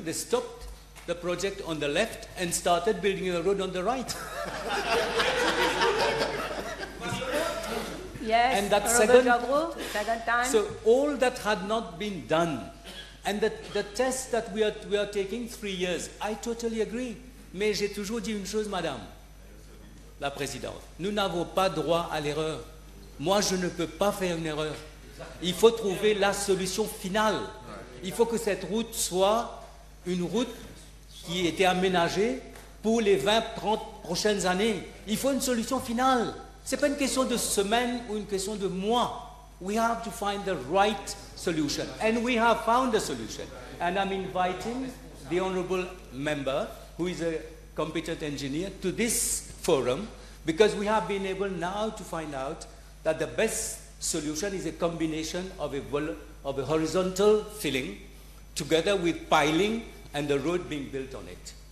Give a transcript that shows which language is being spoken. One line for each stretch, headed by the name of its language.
English: They stopped the project on the left and started building a road on the right. Yes, and that second time. So all that had not been done, and the test that we are taking 3 years, I totally agree.
French: Mais j'ai toujours dit une chose, madame la présidente. Nous n'avons pas droit à l'erreur. Moi, je ne peux pas faire une erreur. Il faut trouver la solution finale. Il faut que cette route soit une route qui était aménagée pour les 20-30 prochaines années. Il faut une solution finale. Ce n'est pas une question de semaine ou une question de mois.
English: We have to find the right solution. And we have found a solution. And I'm inviting the honorable member, who is a competent engineer, to this forum, because we have been able now to find out that the best solution is a combination of a horizontal filling together with piling and the road being built on it.